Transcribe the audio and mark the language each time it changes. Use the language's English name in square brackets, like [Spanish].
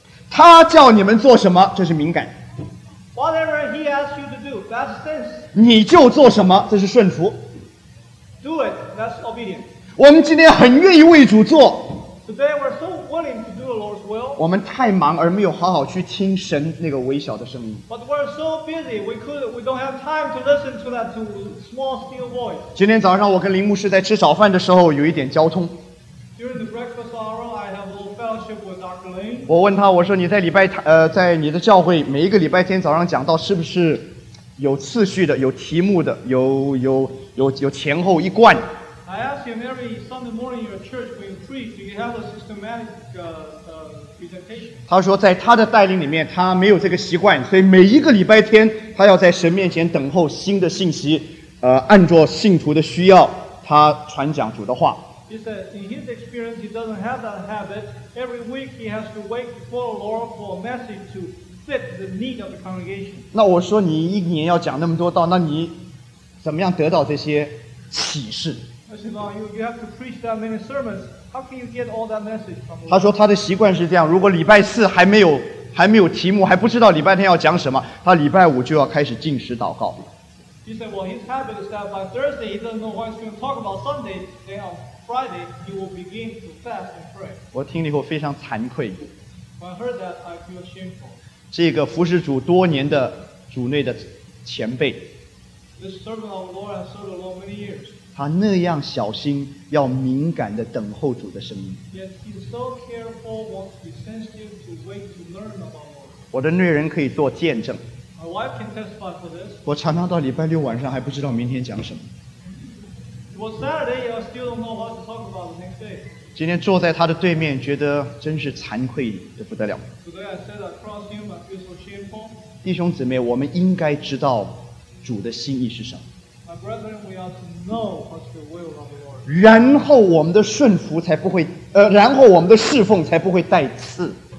[Chinese] 他叫你们做什么，这是敏感。 [English] Whatever he asks you to do, that's sense. [Chinese] 你就做什么，这是顺服。 [English] Do it, that's obedience. [Chinese] 我们今天很愿意为主做。 [English] Today we're so willing to do the Lord's will. [Chinese] 我们太忙而没有好好去听神那个微小的声音。 [English] But we're so busy, we don't have time to listen to that small still voice. [Chinese] 今天早上我跟林牧师在吃早饭的时候有一点交通。 [English] During the breakfast hour, I have a little fellowship with Dr. Lane. [Chinese] 我问他，我说你在礼拜在你的教会每一个礼拜天早上讲到是不是有次序的、有题目的、有前后一贯。 [English] I ask him every Sunday morning in your church when you preach, do you have a systematic presentation? [Chinese] 他说在他的带领里面，他没有这个习惯，所以每一个礼拜天他要在神面前等候新的信息，按着信徒的需要，他传讲主的话。 [English] He said, in his experience, he doesn't have that habit. Every week, he has to wait for the Lord for a message to fit the need of the congregation. [Chinese] 那我说你一年要讲那么多道，那你怎么样得到这些启示？ [English] I said, no, you have to preach that many sermons. How can you get all that message from the Lord? [Chinese] 他说他的习惯是这样，如果礼拜四还没有题目，还不知道礼拜天要讲什么，他礼拜五就要开始进食祷告。 [English] He said, well, his habit is that by Thursday, he doesn't know what he's going to talk about Sunday, then on Friday, you will begin to fast and pray. [Chinese] 我听了以后非常惭愧。 [English] When I heard that, I feel shameful. [Chinese] 这个服侍主多年的主内的前辈。 [English] This servant of the Lord has served the Lord many years. [Chinese] 他那样小心，要敏感地等候主的声音。 [English] Yet he's so careful, wants to be sensitive to wait to learn about the Lord. [Chinese] 我的内人可以做见证。 [English] My wife can testify for this. [Chinese] 我常常到礼拜六晚上还不知道明天讲什么。 [English] Well, Saturday, I still don't know what to talk about the next day. [Chinese] 今天坐在他的对面，觉得真是惭愧得不得了。 [English] Today I sat across him, I feel so shameful. [Chinese] 弟兄姊妹，我们应该知道主的心意是什么。 [English] My brethren, we ought to know what's the will of the Lord. [Chinese] 然后我们的顺服才不会，然后我们的侍奉才不会带刺。